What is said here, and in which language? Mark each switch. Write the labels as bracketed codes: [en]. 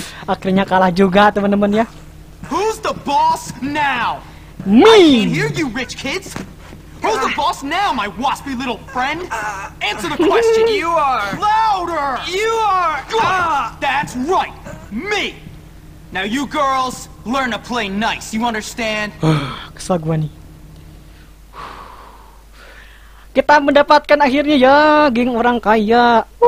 [id] Akhirnya kalah juga teman-teman ya. [en] Who's the boss now? Me. I can't hear you rich kids. Who's the boss now, my waspy little friend? Answer the question. You are. Louder. You are. That's right. Me. Now you girls learn to play nice. You understand? [id] Kesel gue nih. Kita mendapatkan akhirnya ya, geng orang kaya.